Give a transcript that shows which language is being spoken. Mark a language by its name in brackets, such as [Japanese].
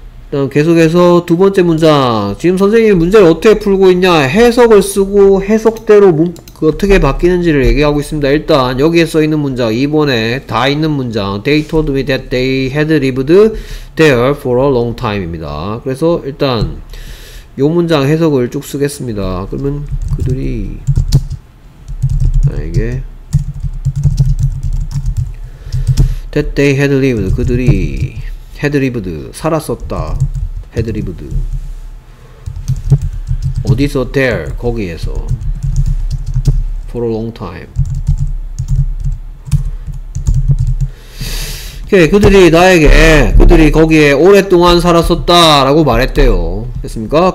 [Korean] 다음 계속해서 두 번째 문장. 지금 선생님이 문제를 어떻게 풀고 있냐? 해석을 쓰고 해석대로 어떻게 바뀌는지를 얘기하고 있습니다. 일단 여기에 써 있는 문장 2번에 다 있는 문장. [English] They told me that they had lived there for a long time입니다. [Korean] 그래서 일단 요 문장 해석을 쭉 쓰겠습니다. 그러면 그들이 나에게 [English] that they had lived [Korean] 그들이 had lived 살았었다 had lived 어디서 there 거기에서 [English] for a long time [Korean] 오케이 그들이 나에게 그들이 거기에 오랫동안 살았었다 라고 말했대요. 됐습니까?